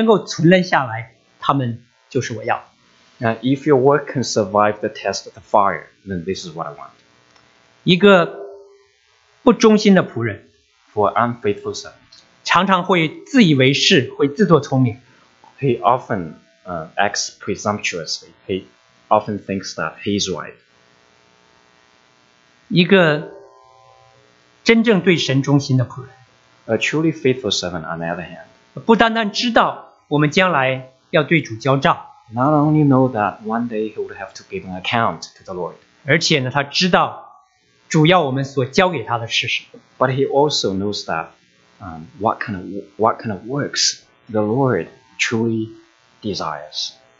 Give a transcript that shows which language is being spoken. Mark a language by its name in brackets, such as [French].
[Chinese] 如果这些东西被火烧过之后还能够存留下来，他们就是我要。 [English] If your work can survive the test of the fire, then this is what I want. [Chinese] 一个不忠心的仆人, [English] for unfaithful servants, [Chinese] 常常会自以为是，会自作聪明。 [English] He often acts presumptuously. He often thinks that he's right. [Chinese] 一个 真正对神忠心的仆人, [English] a truly faithful servant, on the other hand, [Chinese] 不单单知道我们将来要对主交账, [English] not only know that one day he would have to give an account to the Lord, [Chinese] 而且呢，他知道主要我们所交给他的是什么, [English] but he also knows that what kind of works the Lord truly desires.